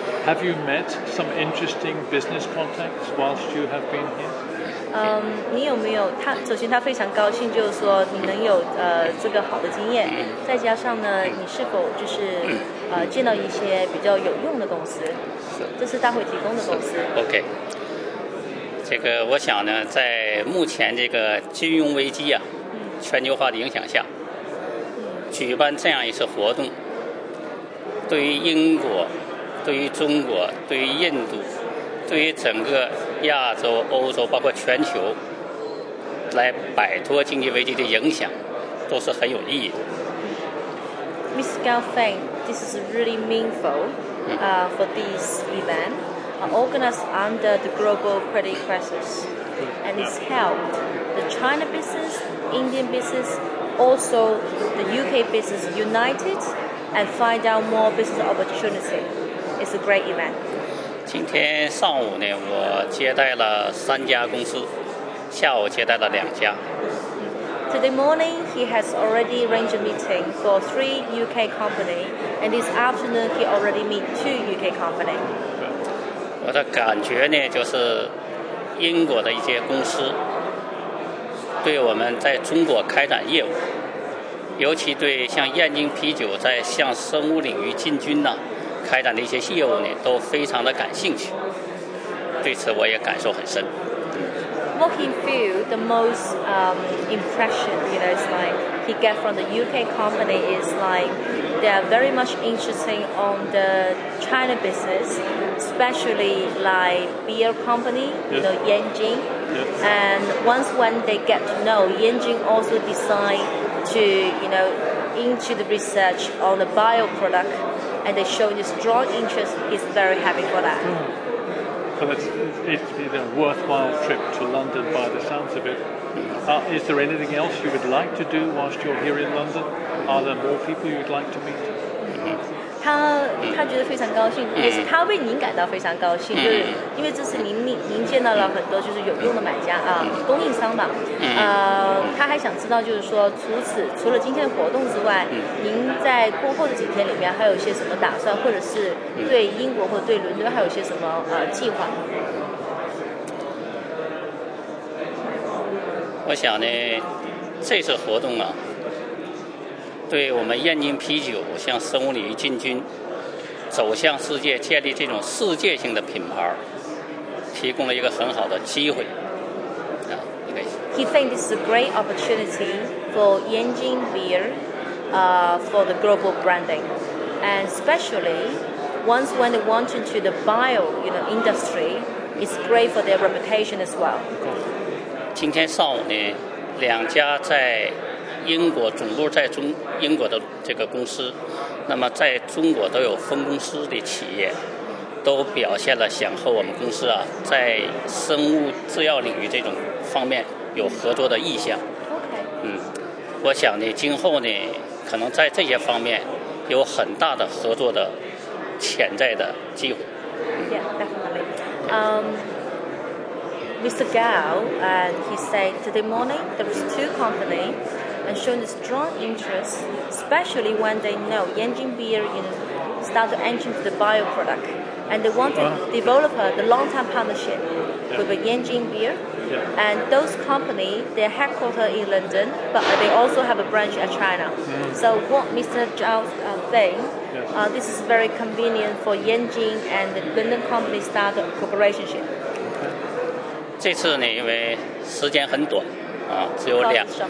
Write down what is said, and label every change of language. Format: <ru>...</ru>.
<en>Have you met some interesting business contacts whilst you have been here?</en> <zh>你有没有他？首先，他非常高兴，就是说你能有这个好的经验，再加上呢，你是否就是见到一些比较有用的公司？这是大会提供的公司。 OK。这个我想呢，在目前这个金融危机啊，全球化的影响下，举办这样一次活动，对于英国、对于中国、对于印度、对于整个亚洲、欧洲，包括全球，来摆脱经济危机的影响，都是很有意义的。</zh> <en>Miss Gao Feng, this is really meaningful for this event. Organized under the global credit crisis, and it's helped the China business, Indian business, also the UK business united and find out more business opportunity. It's a great event.</en> <zh>今天上午呢，我接待了三家公司，下午接待了两家。</zh> <en>Today morning, he has already arranged a meeting for three UK companies, and this afternoon, he already met two UK companies.</en> <zh>我的感觉呢，就是英国的一些公司对我们在中国开展业务，尤其对像燕京啤酒在向生物领域进军呢开展的一些业务呢，都非常的感兴趣。对此我也感受很深。</zh> <en>What he feel the most impression, you know, is like he get from the UK company is like they are very much interested on the China business. Especially like beer company, you know, Yanjing. And once when they get to know, Yanjing also decide to, you know, into the research on the bio product, and they show the strong interest. He's very happy for that. So it's a worthwhile trip to London by the sounds of it. Is there anything else you would like to do whilst you're here in London? Are there more people you'd like to meet?</en> <zh>他觉得非常高兴，也是他为您感到非常高兴，就是因为这次您见到了很多就是有用的买家啊，供应商吧。他还想知道，就是说除了今天的活动之外，您在过后的几天里面还有一些什么打算，或者是对英国或者对伦敦还有一些什么计划？我想呢，这次活动啊。对我们燕京啤酒向生物领域进军，走向世界，建立这种世界性的品牌，提供了一个很好的机会。</zh> <en>He thinks this is a great opportunity for Yanjing beer, for the global branding, and especially once when they want into the bio, you know, industry, it's great for their reputation as well.</en> <zh>今天上午呢，两家在。英国总部在中英国的这个公司，那么在中国都有分公司的企业，都表现了想和我们公司啊在生物制药领域这种方面有合作的意向。</zh> <en>Okay.</en> <zh>我想呢，今后呢，可能在这些方面有很大的合作的潜在的机会。</zh> <en>Yeah, definitely. Mr. Gao, he said today morning there was two companies. And shown a strong interest, especially when they know Yanjing Beer start to enter into the bio product, and they want to develop the long-term partnership with Yanjing Beer. Yeah. And those companies, they're headquartered in London, but they also have a branch in China. So what Mr. Zhao saying, this is very convenient for Yanjing and the London company start a cooperation. Okay.</en> <zh>这次呢，因为时间很短，只有两。</zh>